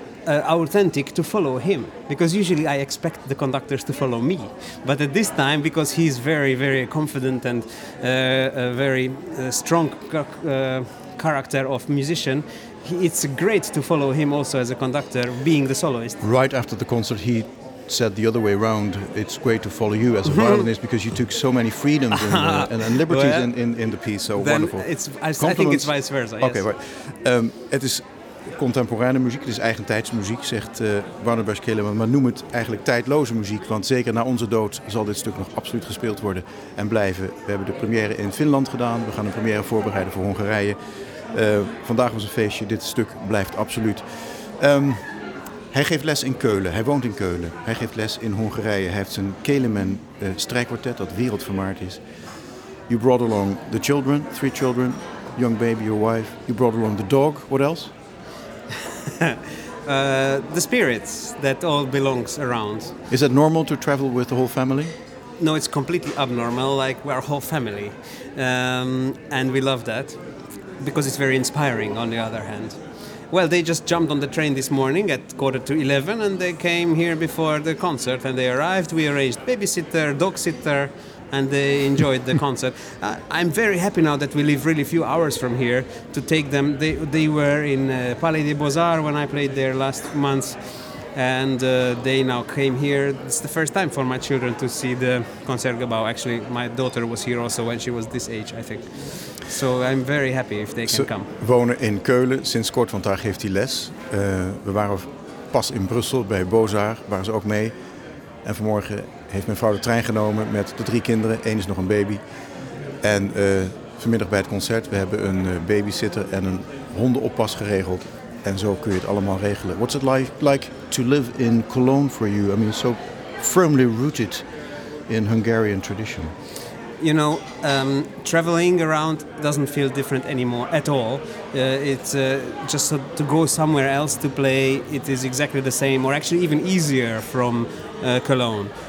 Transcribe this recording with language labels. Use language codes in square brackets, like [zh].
[en] authentic to follow him, because usually I expect the conductors to follow me, but at this time, because he's very, very confident and a very strong character of musician, it's great to follow him also as a conductor, being the soloist. Right after the concert, he said the other way around, it's great to follow you as a violinist because you took so many freedoms and liberties in the piece, so then wonderful. I think it's vice versa, yes. Okay, right. [nl] Het is contemporaine muziek, het is eigentijds muziek, zegt Barnabas Killeman, maar noem het eigenlijk tijdloze muziek, want zeker na onze dood zal dit stuk nog absoluut gespeeld worden en blijven. We hebben de première in Finland gedaan, we gaan een première voorbereiden voor Hongarije. Vandaag was een feestje, dit stuk blijft absoluut. Hij geeft les in Keulen, hij woont in Keulen. Hij geeft les in Hongarije. Hij heeft zijn Kelemen strijkkwartet dat wereldvermaard is. [en] You brought along the children, 3 children, young baby, your wife. You brought along the dog, what else? The spirits that all belongs around. Is that normal to travel with the whole family? No, it's completely abnormal, like we're a whole family. And we love that, because it's very inspiring on the other hand. Well, they just jumped on the train this morning at 10:45 and they came here before the concert and they arrived. We arranged babysitter, dog sitter, and they enjoyed the concert. I'm very happy now that we live really few hours from here to take them. They were in Palais des Beaux-Arts when I played there last month, and they now came here. It's the first time for my children to see the Concertgebouw. Actually, my daughter was here also when she was this age, I think. So I'm very happy if they can come. [nl] Ze wonen in Keulen sinds kort, want daar geeft hij les. We waren pas in Brussel bij Beaux-Arts, waren ze ook mee. En vanmorgen heeft mijn vrouw de trein genomen met de 3 kinderen. 1 is nog een baby. En vanmiddag bij het concert, we hebben een babysitter en een hondenoppas geregeld. En zo kun je het allemaal regelen. [en] What's it like to live in Cologne for you? I mean, so firmly rooted in Hungarian tradition. You know, traveling around doesn't feel different anymore at all. It's just to go somewhere else to play, it is exactly the same, or actually even easier from Cologne.